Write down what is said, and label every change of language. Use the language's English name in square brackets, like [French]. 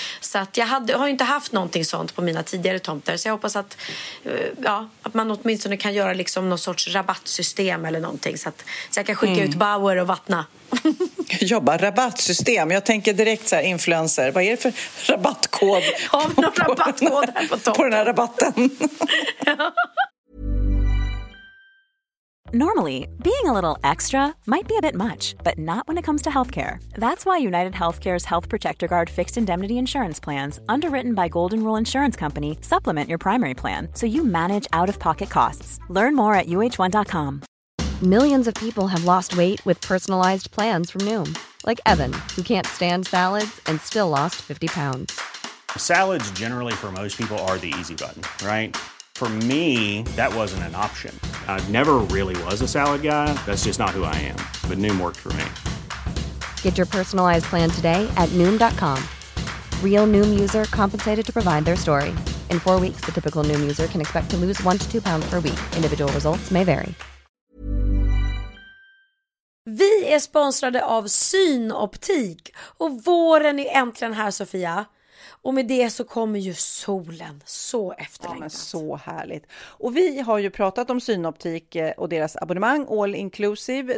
[Swedish] Så att jag har inte haft någonting sånt på mina tidigare tomter. Så jag hoppas att man åtminstone kan göra liksom någon sorts rabattsystem eller någonting. Så jag kan skicka ut Bauer och vattna. Jobba rabattsystem. Jag tänker direkt så här, influencer. Vad är det för rabattkod? Har vi någon rabattkod här på tomten? På den här rabatten. [English] Normally, being a little extra might be a bit much, but not when it comes to healthcare. That's why United Healthcare's Health Protector Guard fixed indemnity insurance plans, underwritten by Golden Rule Insurance Company, supplement your primary plan so you manage out-of-pocket costs. Learn more at uh1.com. Millions of people have lost weight with personalized plans from Noom, like Evan, who can't stand salads and still lost 50 pounds. Salads generally for most people are the easy button, right? For me, that wasn't an option. I never really was a salad guy. That's just not who I am. But Noom worked for me. Get your personalized plan today at Noom.com. Real Noom user compensated to provide their story. In 4 weeks, the typical Noom user can expect to lose 1 to 2 pounds per week. Individual results may vary. [Swedish] Vi är sponsrade av Synoptik. Och våren är äntligen här, Sofia. Och med det så kommer ju solen så efterlängtat. Ja, men så härligt. Och vi har ju pratat om Synoptik och deras abonnemang All Inclusive.